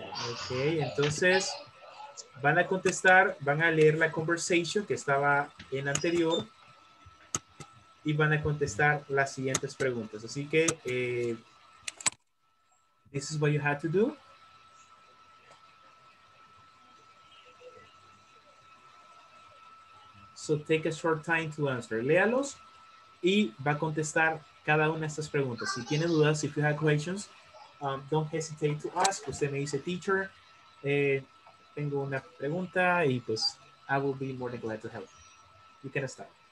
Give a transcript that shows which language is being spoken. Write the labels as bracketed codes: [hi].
[es] Ok, entonces van a contestar, van a leer la conversation que estaba en anterior. Y van a contestar las siguientes preguntas. Así que, [en] this is what you had to do. So take a short time to answer. [es] Léalos y va a contestar cada una de estas preguntas. Si tiene dudas, [en] if you have questions, don't hesitate to ask. [es] Usted me dice, [en] teacher, [es] tengo una pregunta y pues [en] I will be more than glad to help. You can start.